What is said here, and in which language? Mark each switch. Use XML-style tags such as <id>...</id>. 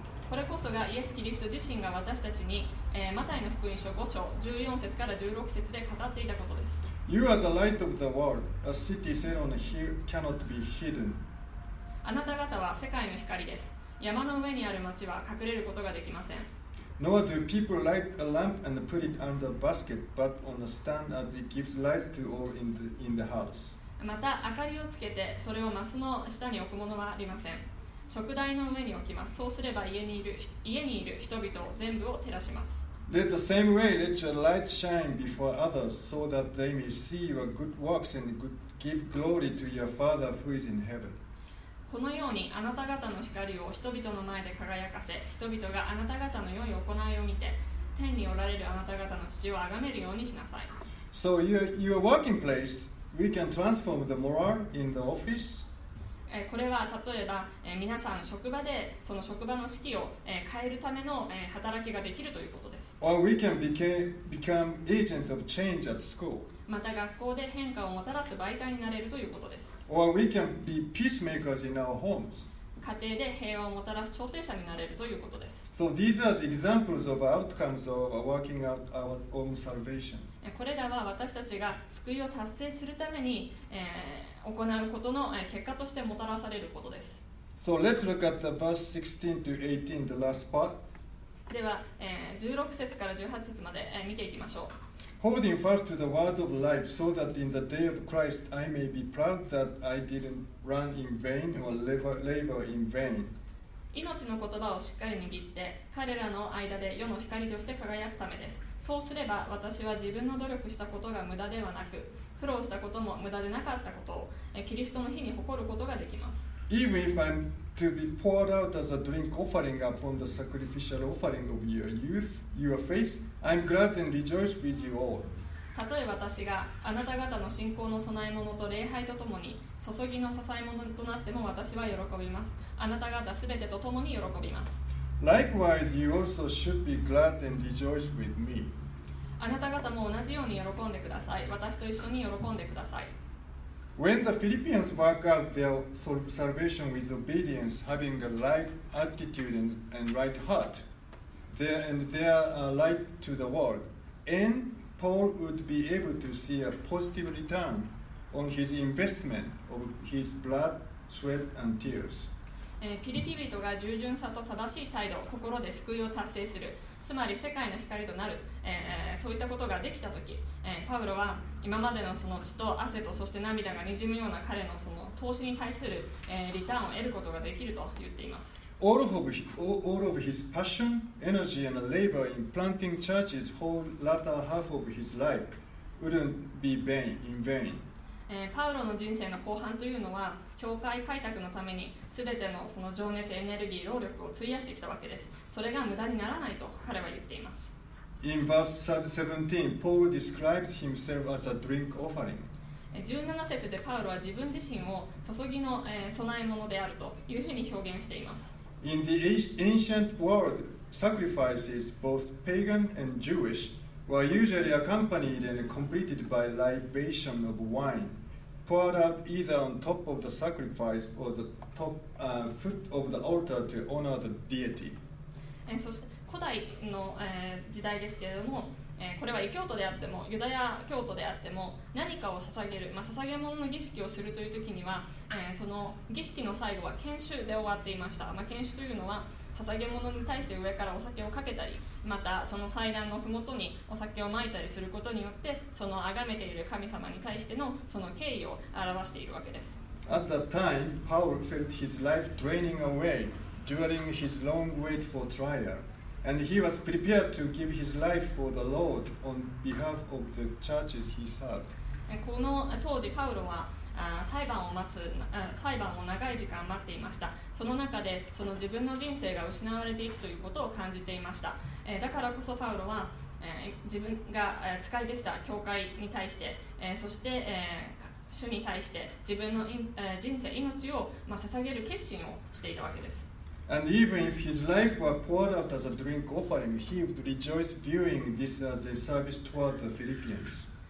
<ja>これこそがイエス・キリスト自身が私たちに、マタイの福音書5章14節から16節で語っていたことです。</ja> <en>You are the light of the world. A city set on a hill cannot be hidden.</en> <ja>あなた方は世界の光です。山の上にある町は隠れることができません。</ja> <en>Nor do people light a lamp and put it under a basket, but on a stand and it gives light to all in the house.</en> <ja>また明かりをつけてそれをマスの下に置くものはありません。食台の上に置きます。そうすれば家にいる人々を全部を照らします。</ja> <en>Let the same way let your light shine before others so that they may see your good works and give glory to your Father who is in heaven.</en> <ja>このようにあなた方の光を人々の前で輝かせ、人々があなた方の良い行いを見て天におられるあなた方の父を崇めるようにしなさい。</ja> <en>So your working place, we can transform the morale in the office</en> <ja>これは例えば皆さん職場でその職場の士気を変えるための働きができるということです。</ja> <en>Or we can become agents of change at school.</en> <ja>また学校で変化をもたらす媒体になれるということです。</ja> <en>Or we can be peacemakers in our homes.</en> <ja>家庭で平和をもたらす調停者になれるということです。</ja> <en>So these are the examples of outcomes of working out our own salvation.</en> <ja>これらは私たちが救いを達成するために、行うことの結果としてもたらされることです。</ja> <en>So let's look at the verse 16 to 18, the last part.</en> <ja>では、16節から18節まで見ていきましょう。</ja> <en>Holding fast to the word of life, so that in the day of Christ I may be proud that I didn't run in vain or labor in vain.</en> <ja>命の言葉をしっかり握って、彼らの間で世の光として輝くためです。そうすれば私は自分の努力したことが無駄ではなく、苦労したことも無駄でなかったことをキリストの日に誇ることができます。</ja> <en>Even if I'm to be poured out as a drink offering upon the sacrificial offering of your youth, your faith, I'm glad and rejoice with you all.</en> <ja>たとえ私があなた方の信仰の供え物と礼拝とともに、注ぎの支え物となっても私は喜びます。あなた方すべてと共に喜びます。</ja> <en>Likewise, you also should be glad and rejoice with me.</en> <ja>あなた方も同じように喜んでください。私と一緒に喜んでください。</ja> <en>When the Philippians work out their salvation with obedience, having a right attitude and right heart, their light to the world, and Paul would be able to see a positive return on his investment of his blood, sweat, and tears.</en> <ja>ピリピ人が従順さと正しい態度、心で救いを達成する。つまり世界の光となる、そういったことができたとき、パウロは今までのその血と汗とそして涙がにじむような彼のその投資に対する、リターンを得ることができると言っています。</ja> <en>All of his passion, energy and labor in planting churches whole latter half of his life wouldn't be vain, in vain.</en> <ja>パウロの人生の後半というのは、教会開拓のために全てのその情熱、エネルギー、労力を費やしてきたわけです。それが無駄にならないと彼は言っています。</ja> <en>In verse 17, Paul describes himself as a drink offering.</en> <ja>17節でパウロは自分自身を注ぎの供え物であるというふうに表現しています。</ja> <en>In the ancient world, sacrifices, both pagan and Jewish, were usually accompanied and completed by libation of wine. Poured out either on top of the sacrifice or the top, foot of the altar to honor the deity.</en> <ja>そして古代の、時代ですけれども、これは異教徒であってもユダヤ教徒であっても何かを捧げる、まあ、捧げ物の儀式をするという時には、その儀式の最後は献酒で終わっていました。まあ、献酒というのは捧げ物に対して上からお酒をかけたり、またその祭壇のふもとにお酒をまいたりすることによって、その崇めている神様に対してのその敬意を表しているわけです。</ja> <en>At that time, Paul felt his life draining away during his long wait for trial, and he was prepared to give his life for the Lord on behalf of the churches he served.</en> <ja>この当時、パウロは裁判を待つ裁判を長い時間待っていました。その中でその自分の人生が失われていくということを感じていました。だからこそパウロは自分が使いできた教会に対して、そして主に対して自分の人生命を捧げる決心をしていたわけです。</ja> <en>And even if his life were poured out as a drink offering, he would rejoice viewing this as a service toward the Philippians.</en>